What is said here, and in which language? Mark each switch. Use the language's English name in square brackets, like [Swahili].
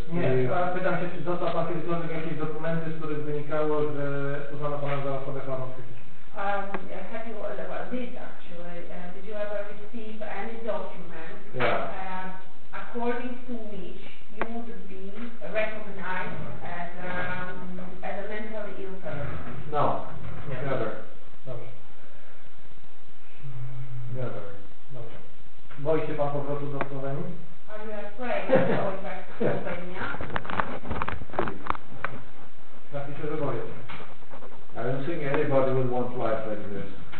[Polish] Nie, pytam się, czy dostał pan kiedykolwiek jakieś dokumenty, z których wynikało, że uznano pana za osobę chorą psychiczną? [English] Have you all about this actually? Did you ever receive any document according to which you would be recognized as a mentally ill person? No. Yeah. Never. [Polish] Dobrze. [English] Never. [Polish] Dobrze. Boi się pan powrotu do Słowenii? [English] Are you afraid of going back to Slovenia? [Polish] Taki się boję. [English] I don't think anybody would want life like this.